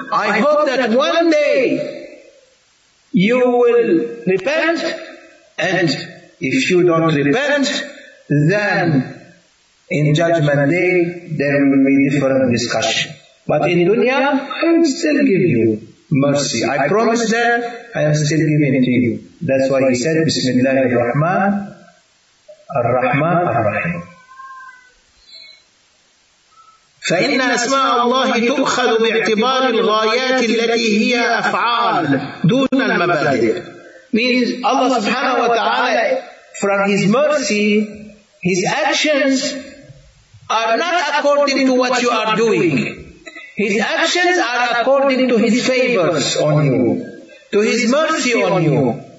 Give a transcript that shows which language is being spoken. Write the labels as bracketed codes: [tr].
[en] I hope that one day you will repent, and if you don't repent, then in judgment day there will be different discussion. But in dunya, I will still give you mercy. I promise that I am still giving it to you. That's why he said, Bismillah ar-Rahman, ar-Rahman, ar-Rahim. [ar] فإن أسماء الله تؤخذ باعتبار الغايات التي هي أفعال دون المبادئ. [en] Means Allah سبحانه وتعالى, from His mercy, His actions are not according to what you are doing. His actions are according to His favors on you, to His mercy on you.